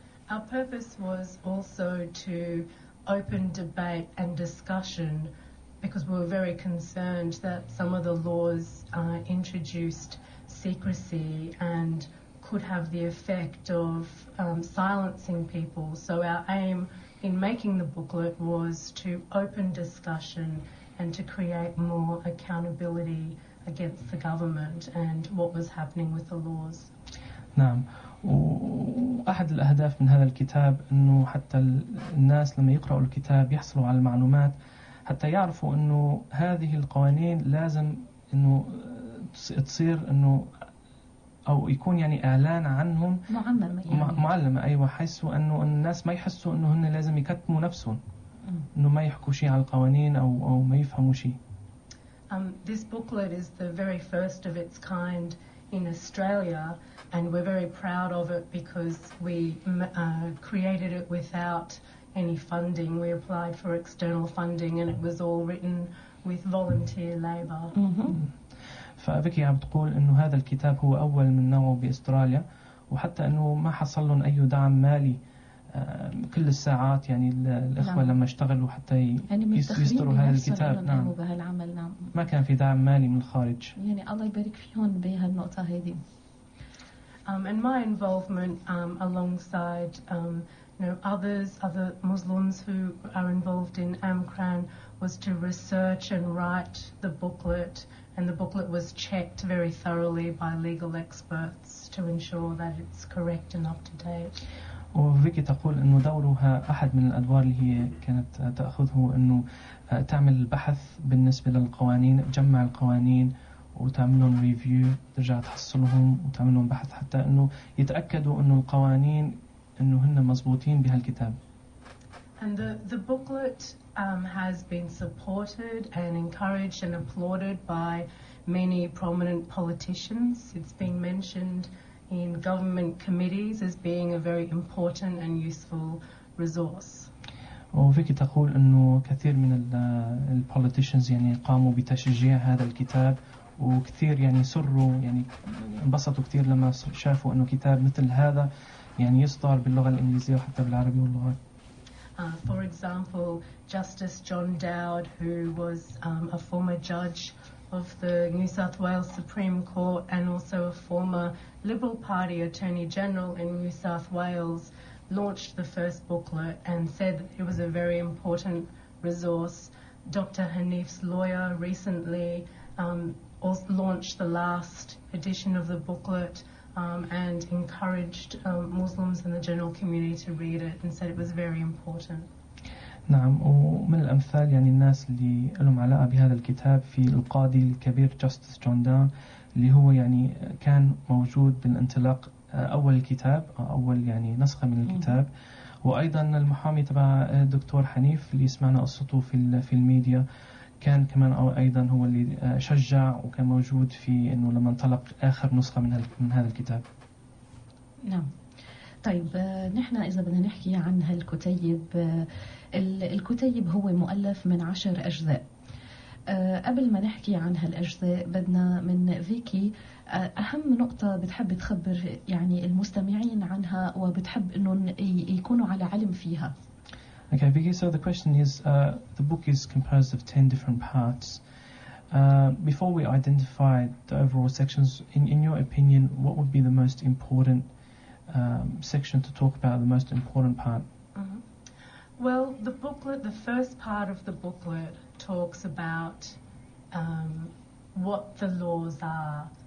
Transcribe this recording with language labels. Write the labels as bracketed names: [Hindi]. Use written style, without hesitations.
[English] Our purpose was also to open debate and discussion because we were very concerned that some of the laws introduced secrecy and could have the effect of silencing people. So our aim in making the booklet was to open discussion and to create more accountability against the government and what was happening with the laws. [Arabic] نعم، وأحد الأهداف من هذا الكتاب إنه حتى الناس لما يقرأوا الكتاب يحصلوا على المعلومات حتى يعرفوا إنه هذه القوانين لازم إنه تصير إنه أو يكون يعني إعلان عنهم معلمة أيوة، حسوا إنه الناس ما يحسوا إنه هن لازم يكتموا نفسهم إنه ما يحكوا شيء على القوانين أو ما يفهموا شيء. [English] This booklet is the very first of its kind in Australia, and we're very proud of it because we created it without any funding. We applied for external funding, and it was all written with volunteer labour. [Arabic] فبيكي عم تقول إنه هذا الكتاب هو أول من نوعه بأستراليا وحتى إنه ما حصل لهم أي دعم مالي كل الساعات يعني الإخوة نعم. لما اشتغلوا حتى يسطروا هذا الكتاب نعم. بهالعمل نعم ما كان في دعم مالي من الخارج يعني الله يبارك فيهم بهالنقطة هذه [English] and my involvement alongside you know other Muslims who are involved in AMCRAN was to research and write the booklet and the booklet was checked very thoroughly by legal experts to ensure that it's correct and up to date [Arabic] وفيكي تقول إنه دورها أحد من الأدوار اللي هي كانت تأخذه إنه تعمل البحث بالنسبة للقوانين تجمع القوانين وتعملهم ريفيو ترجع تحصلهم وتعملهم بحث حتى إنه يتأكدوا إنه القوانين إنه هن مزبوطين بهالكتاب. [English] And the booklet has been supported and encouraged and applauded by many prominent politicians. It's been mentioned in government committees as being a very important and useful resource. [Arabic] وفيكي تقول إنه كثير من ال politicians يعني قاموا بتشجيع هذا الكتاب وكثير يعني سروا يعني انبسطوا كثير لما شافوا إنه كتاب مثل هذا يعني يصدر باللغة الإنجليزية وحتى بالعربية واللغة. [English] For example, Justice John Dowd, who was a former judge of the New South Wales Supreme Court and also a former Liberal Party Attorney General in New South Wales, launched the first booklet and said it was a very important resource. Dr. Hanif's lawyer recently also launched the last edition of the booklet and encouraged Muslims and the general community to read it and said it was very important. [Arabic] نعم ومن الأمثال يعني الناس اللي لهم علاقة بهذا الكتاب في القاضي الكبير جاستس جون داون اللي هو يعني كان موجود بالانطلاق أول الكتاب أول يعني نسخة من الكتاب وأيضا المحامي تبع الدكتور حنيف اللي سمعنا قصته في الميديا كان كمان أو أيضا هو اللي شجع وكان موجود في إنه لما انطلق آخر نسخة من هذا الكتاب نعم طيب نحن إذا بدنا نحكي عن هالكتيب الكتيب هو مؤلف من 10 أجزاء قبل ما نحكي عن هالأجزاء بدنا من فيكي أهم نقطة بتحب تخبر يعني المستمعين عنها وبتحب إنهم يكونوا على علم فيها [English] Okay, Vicky, so the question is the book is composed of 10 different parts. Before we identify the overall sections, in your opinion, what would be the most important section to talk about, the most important part? Mm-hmm. Well, the booklet, the first part of the booklet talks about what the laws are.